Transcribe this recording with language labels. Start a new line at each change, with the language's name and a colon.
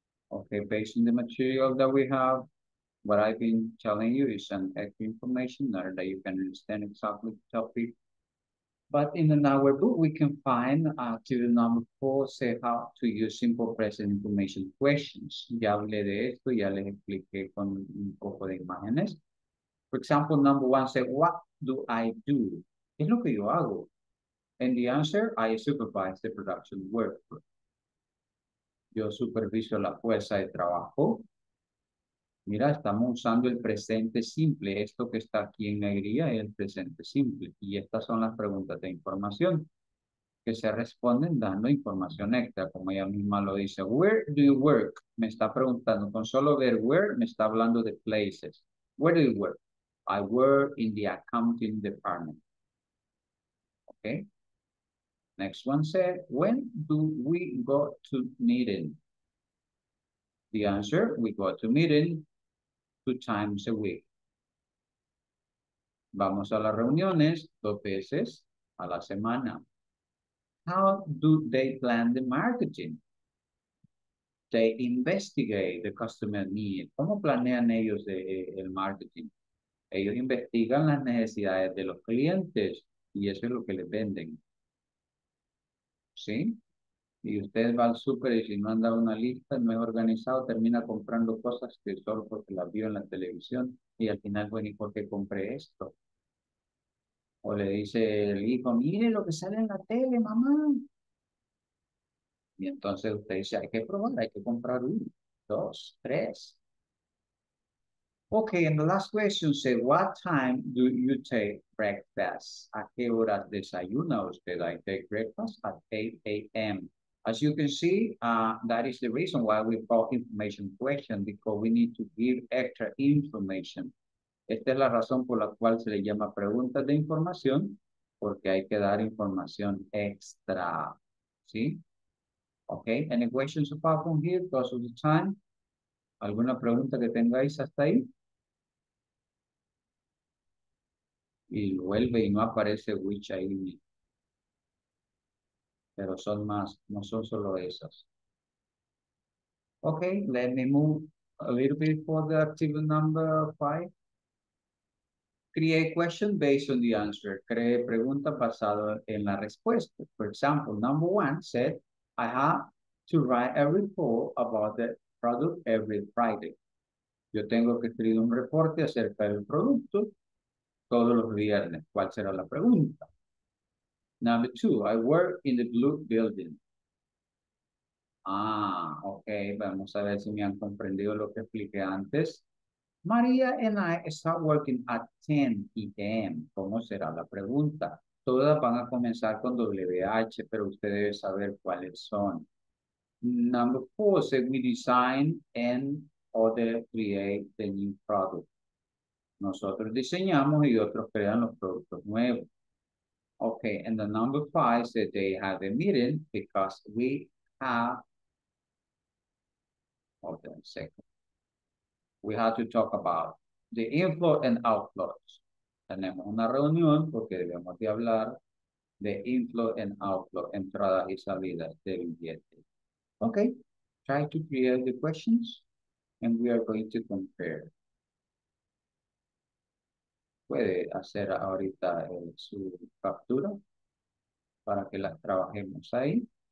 English: Okay, based on the material that we have, what I've been telling you is an extra information that you can understand exactly the topic. But in our book, we can find activity number 4, say how to use simple present information questions.
Spanish: Ya hablé de esto, ya les expliqué con un poco de imágenes.
English: For example, number 1, say, what do I do?
Spanish: ¿Qué es lo que yo hago?
English: And the answer, I supervise the production workflow.
Spanish: Yo superviso la fuerza de trabajo. Mira, estamos usando el presente simple. Esto que está aquí en negrilla es el presente simple. Y estas son las preguntas de información que se responden dando información extra. Como ella misma lo dice,
English: where do you work?
Spanish: Me está preguntando. Con solo ver where, me está hablando de places.
English: Where do you work? I work in the accounting department. Okay. Next one said, when do we go to meeting? The answer, we go to meeting 2 times a week.
Spanish: Vamos a las reuniones 2 veces a la semana.
English: How do they plan the marketing? They investigate the customer need.
Spanish: ¿Cómo planean ellos el marketing? Ellos investigan las necesidades de los clientes y eso es lo que les venden. ¿Sí? Y usted va al súper y si no han dado una lista, no es organizado, termina comprando cosas que solo porque las vio en la televisión y al final, bueno, ¿y por qué compré esto? O le dice el hijo, mire lo que sale en la tele, mamá. Y entonces usted dice, hay que probar, hay que comprar uno, dos, tres.
English: Okay, and the last question says, what time do you take breakfast?
Spanish: ¿A qué hora desayuna usted?
English: I take breakfast at 8 a.m. As you can see, that is the reason why we call information question, because we need to give extra information.
Spanish: Esta es la razón por la cual se le llama pregunta de información, porque hay que dar información extra, ¿sí?
English: Okay, any questions apart from here, because of the time?
Spanish: ¿Alguna pregunta que tengáis hasta ahí? Y vuelve y no aparece which ahí. Pero son más, no son solo esas.
English: Okay, let me move a little bit for the activity number five. Create question based on the answer.
Spanish: Cree pregunta basada en la respuesta.
English: For example, number one said, I have to write a report about the product every Friday.
Spanish: Yo tengo que escribir un reporte acerca del producto todos los viernes. ¿Cuál será la pregunta?
English: Number two, I work in the blue building. Ah, okay.
Spanish: Vamos a ver si me han comprendido lo que expliqué antes.
English: María and I start working at 10 p.m.
Spanish: ¿Cómo será la pregunta? Todas van a comenzar con WH, pero usted debe saber cuáles son.
English: Number four, say we design and other create the new product.
Spanish: Nosotros diseñamos y otros crean los productos nuevos.
English: Okay, and the number five said they have a meeting because we have, hold on a second. We have to talk about the inflow and outflows.
Spanish: Tenemos una reunión porque debemos de hablar de
English: inflow and outflow,
Spanish: entrada y salida del billete.
English: Okay, try to create the questions and we are going to compare.
Spanish: Puede hacer ahorita su captura para que las trabajemos ahí.